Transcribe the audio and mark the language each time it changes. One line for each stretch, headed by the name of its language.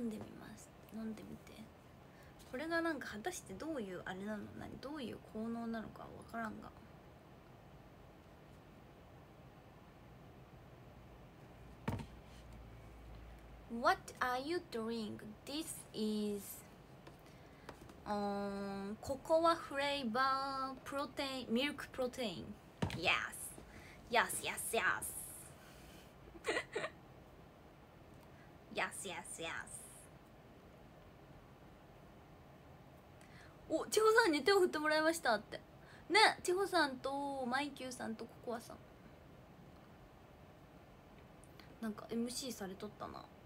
Japanese: 飲んでみます、飲んでみて。これがなんか果たしてどういうあれなの、何どういう効能なのかわからんが、
English: What are you doing? This is ココアフレーバープロテイン、ミルクプロテイン、 Yes Yes Yes Yes Yes Yes Yes, yes.
Japanese: お、千穂さんに手を振ってもらいましたってね、千穂さんとマイキューさんとココアさん、なんか MC されとったな。